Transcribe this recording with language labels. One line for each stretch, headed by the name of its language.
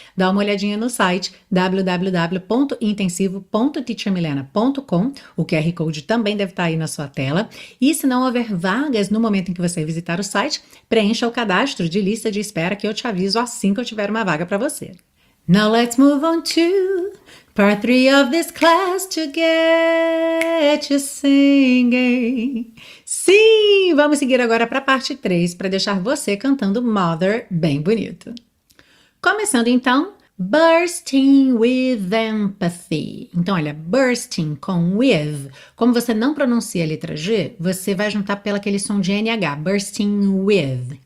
Portuguese: dá uma olhadinha no site www.intensivo.teachermilena.com, o QR Code também deve estar aí na sua tela, e se não houver vagas no momento em que você visitar o site, preencha o cadastro de lista de espera que eu te aviso assim que eu tiver uma vaga para você.
English: Now let's move on to part three of this class to get you singing.
Portuguese: Sim, vamos seguir agora para a parte 3 para deixar você cantando Mother bem bonito. Começando então,
English: bursting with empathy.
Portuguese: Então, olha, bursting com with. Como você não pronuncia a letra G, você vai juntar pelo aquele som de NH,
English: bursting with.